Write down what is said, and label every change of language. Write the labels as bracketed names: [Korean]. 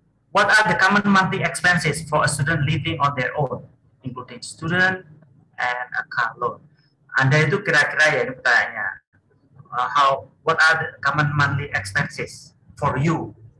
[English] What are the common monthly expenses for a student living on their own, including student and a car loan? [Indonesian] Anda itu kira-kira ya, ini pertanyaannya. [English] What are the common monthly expenses for you?